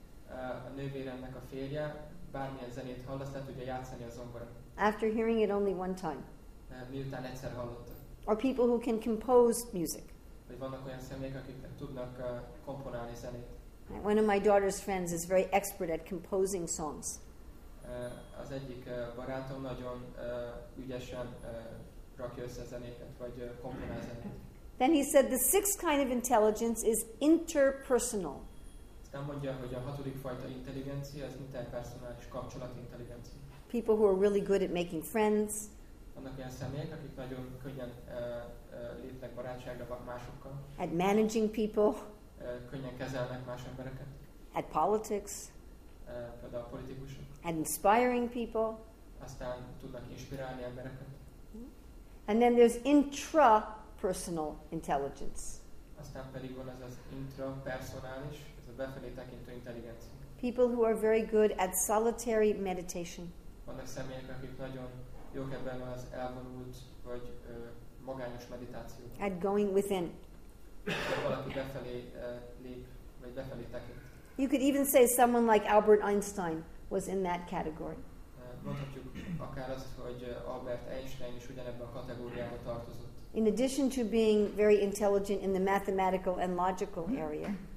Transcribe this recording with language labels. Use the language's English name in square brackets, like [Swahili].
[Hungarian] A nővéremnek a férje bármilyen zenét hall, azt le tudja játszani a zongora. [English] After hearing it only one time. [Hungarian] Miután egyszer hallotta. [English] Or people who can compose music. [Hungarian] Vagy vannak olyan személyek, akik tudnak komponálni zenét. [English] One of my daughter's friends is very expert at composing songs. [Hungarian] Az egyik barátom nagyon ügyesen rakja össze zenéket, vagy komponál zenét. [English] Then he said the sixth kind of intelligence is interpersonal. [Hungarian] Aztán mondja, hogy a hatodik fajta intelligencia az interpersonális kapcsolati intelligencia. [English] People who are really good at making friends. [Hungarian] Vannak olyan személyek, akik nagyon könnyen lépnek barátságra másokkal. [English] At managing people. [Hungarian] Könnyen kezelnek más embereket. [English] At politics. [Hungarian] Például politikusok. [English] At inspiring people. [Hungarian] Aztán tudnak inspirálni embereket. [English] And then there's intrapersonal intelligence. [Hungarian] Aztán pedig van az intrapersonális, ez a befelé tekintő intelligencia. [English] People who are very good at solitary meditation. [Hungarian] Vannak személyek, akik nagyon jók ebben az elvonult vagy magányos meditáció. [English] At going within. [Hungarian] Valaki befelé lép, vagy befelé tekint. [English] You could even say someone like Albert Einstein was in that category. [Hungarian] Mondhatjuk akár azt, hogy Albert Einstein is ugyanebben a kategóriába tartozott. [English] In addition to being very intelligent in the mathematical and logical area.